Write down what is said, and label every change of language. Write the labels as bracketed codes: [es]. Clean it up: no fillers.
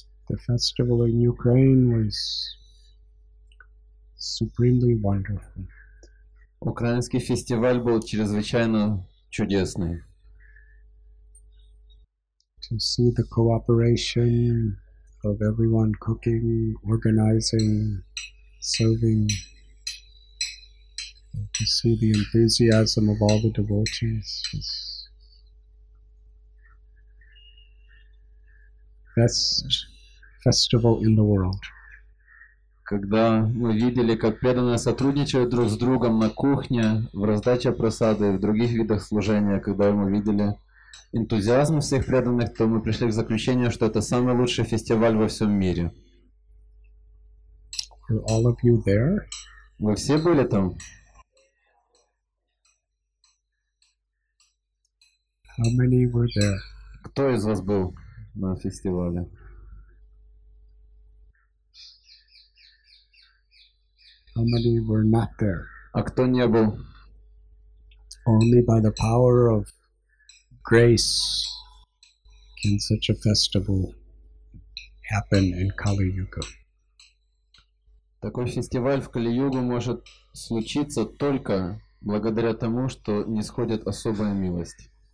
[en] The festival in Ukraine was supremely wonderful. [ru] Украинский фестиваль был чрезвычайно чудесный. [en] To see the cooperation of everyone cooking, organizing, serving. To see the enthusiasm of all the devotees. Best festival in the world. [ru] Когда мы видели, как преданные сотрудничают друг с другом на кухне, в раздаче просады, в других видах служения, когда мы видели энтузиазм всех преданных, то мы пришли к заключению, что это самый лучший фестиваль во всем мире. [en] Were all of you there? [ru] Вы все были там? [en] How many were there? [ru] Кто из вас был на фестивале? [en] How many were not there? [ru] А кто не был? [en] Only by the power of grace can such a festival happen in Kali-Yuga. [ru] Такой фестиваль в Кали-Югу может случиться только благодаря тому, что нисходит особая милость.